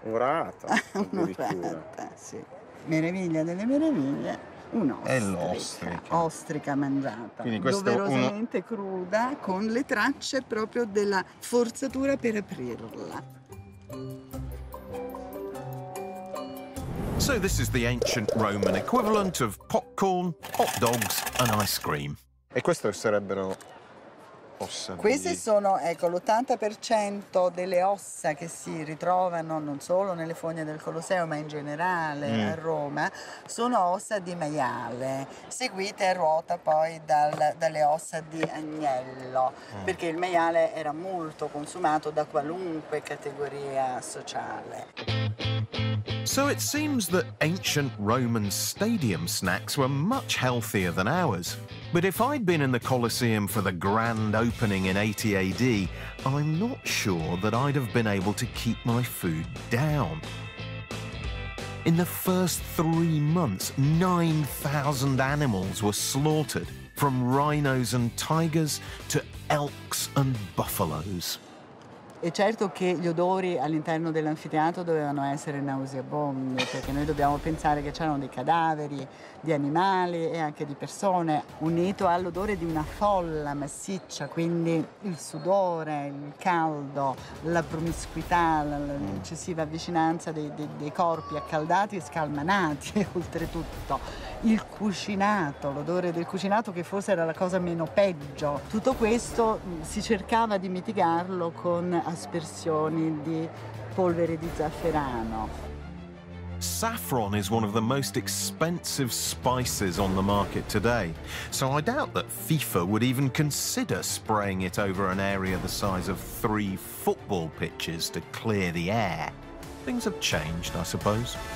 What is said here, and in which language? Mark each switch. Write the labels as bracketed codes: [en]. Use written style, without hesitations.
[it] Orata? Un'orata, sì. Meraviglia delle meraviglie. Un'ostrica. Ostrica mangiata. Quindi questo doverosamente cruda, con le tracce proprio della forzatura per aprirla. [en] So this is the ancient Roman equivalent of popcorn, hot dogs and ice cream. [it] E queste sarebbero ossa. Queste sono, ecco, l'80% delle ossa che si ritrovano non solo nelle fogne del Colosseo, ma in generale a Roma, sono ossa di maiale, seguite a ruota poi dalle ossa di agnello, perché il maiale era molto consumato da qualunque categoria sociale. [en] So it seems that ancient Roman stadium snacks were much healthier than ours. But if I'd been in the Colosseum for the grand opening in 80 AD, I'm not sure that I'd have been able to keep my food down. In the first 3 months, 9,000 animals were slaughtered, from rhinos and tigers to elks and buffaloes. [it] È certo che gli odori all'interno dell'anfiteatro dovevano essere nauseabondi, perché noi dobbiamo pensare che c'erano dei cadaveri di animali e anche di persone, unito all'odore di una folla massiccia, quindi il sudore, il caldo, la promiscuità, l'eccessiva vicinanza dei corpi accaldati e scalmanati, oltretutto. Il cucinato, l'odore del cucinato, che forse era la cosa meno peggio. Tutto questo si cercava di mitigarlo con aspersioni di polvere di zafferano. [en] Saffron is one of the most expensive spices on the market today, so I doubt that FIFA would even consider spraying it over an area the size of 3 football pitches to clear the air. Things have changed, I suppose.